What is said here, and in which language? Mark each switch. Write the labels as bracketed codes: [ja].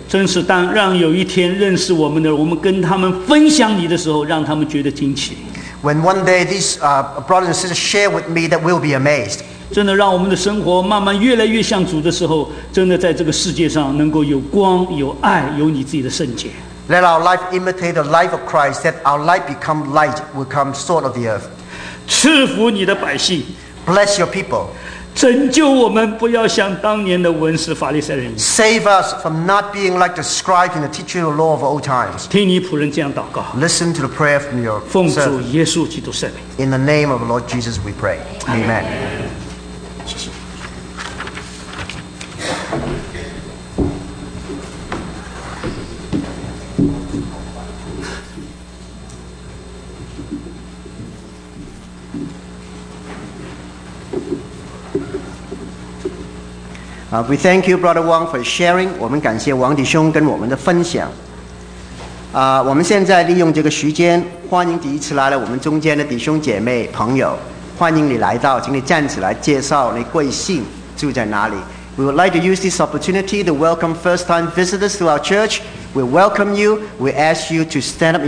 [zh] 真是当让有一天认识我们的，我们跟他们分享你的时候，让他们觉得惊奇。 [en] When one day these brothers and sisters share with me, that we'll be amazed. [zh] 真的让我们的生活慢慢越来越像主的时候，真的在这个世界上能够有光、有爱、有你自己的圣洁。 [en] Let our life imitate the life of Christ, that our light become light, will come salt of the earth. [zh] 赐福你的百姓。 [en] Bless your people. [zh] 拯救我们，不要像当年的文士、法利赛人。 [en] Save us from not being like the scribes and the teachers of the law of old times. [zh] 听你仆人这样祷告。 [en] Listen to the prayer from your servant. [zh] 奉主耶稣基督圣名。 [en] In the name of the Lord Jesus, we pray. Amen. Amen. We thank you, Brother Wang, for sharing. [zh] 我们感谢王弟兄跟我们的分享。我们现在利用这个时间，欢迎第一次来了我们中间的弟兄姐妹朋友，欢迎你来到，请你站起来介绍你贵姓，住在哪里。 [en] We would like to use this opportunity to welcome first-time visitors to our church. We welcome you. We ask you to stand up.